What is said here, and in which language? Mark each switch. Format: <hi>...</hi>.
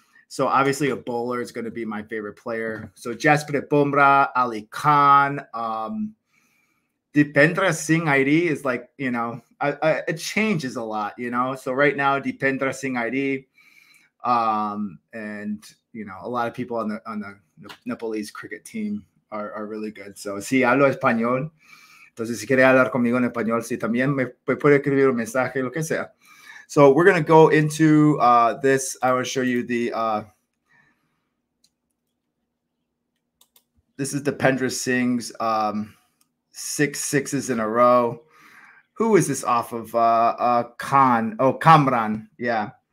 <en>So obviously a bowler is going to be my favorite player. So Jasprit Bumrah, Ali Khan, Dipendra Singh ID is like, you know, it changes a lot, you know. So right now, Dipendra Singh ID, and, you know, a lot of people on the Nepalese cricket team are really good.</en> <es>So, si hablo español, entonces si quiere hablar conmigo en español, si también me puede escribir un mensaje, lo que sea.</es> <en>So we're going to go into this. I want to show you the this is Dipendra Singh's 6 sixes in a row. Who is this off of? Khan. Oh, Kamran. Yeah.</en>